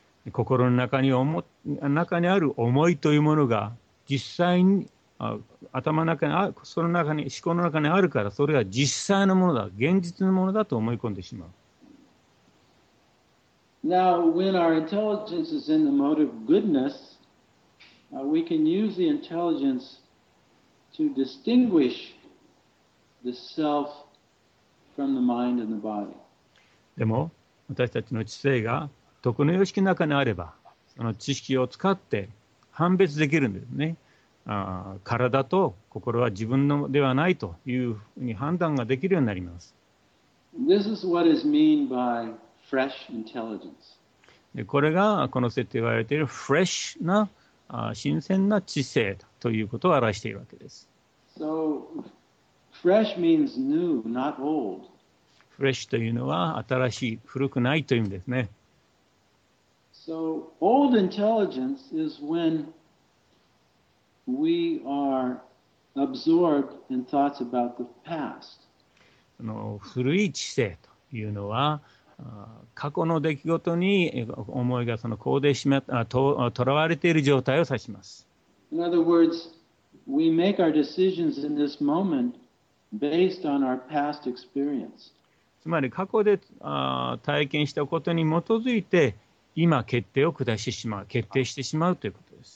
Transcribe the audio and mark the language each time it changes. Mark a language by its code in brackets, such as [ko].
[ja] 心の中にある思いというものが、実際に頭の中に、その中に、思考の中にあるから、それは実際のものだ、現実のものだと思い込んでしまう。 [en] Now, when our intelligence is in the mode of goodness, we can use the intelligence to distinguish the self from the mind and the body. [ja] でも、私たちの知性が徳の様式の中にあれば、その知識を使って判別できるんですね。体と心は自分のではないというふうに判断ができるようになります。 [en] This is what is mean by fresh intelligence. [ja] で、これがこの説で言われているフレッシュな新鮮な知性ということを表しているわけです。 [en] So, fresh means new, not old. [ja] フレッシュというのは新しい、古くないという意味ですね。 [en] So, old intelligence is whenWe are absorbed in thoughts about the past. [ja] その古い知性というのは、過去の出来事に思いがその固定しまった、とらわれている状態を指します。 [en] In other words, we make our decisions in this moment based on our past experience. [ja] つまり過去で体験したことに基づいて、今決定を下してしまう、決定してしまうということ。